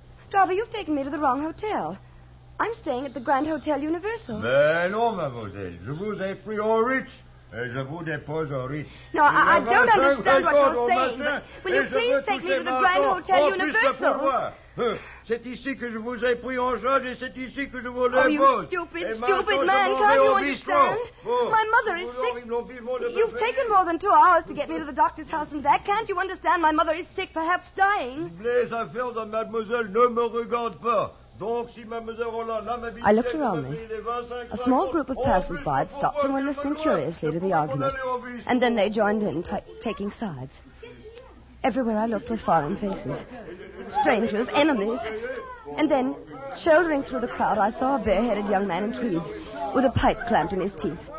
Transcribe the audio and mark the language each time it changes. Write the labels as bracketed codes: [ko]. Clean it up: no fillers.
[en] Darby, you've taken me to the wrong hotel. I'm staying at the Grand Hotel Universal. [fr] Ben, non, mademoiselle. Je vous ai pris au rich. Et je vous dépose au rich. [en] No, I don't understand what you're saying. Will you please take me to the Grand Hotel Universal? [fr] C'est ici que je vous ai pris en charge et c'est ici que je vous l'impose. [en] Oh, you stupid, stupid man. Can't you understand? My mother is sick. You've taken more than 2 hours to get me to the doctor's house and back. Can't you understand? My mother is sick, perhaps dying. [fr] Les affaires de mademoiselle ne me regardent pas. [en] I looked around me. A small group of passers-by had stopped and were listening curiously to the argument. And then they joined in, taking sides. Everywhere I looked were foreign faces. Strangers, enemies. And then, shouldering through the crowd, I saw a bare-headed young man in tweeds with a pipe clamped in his teeth.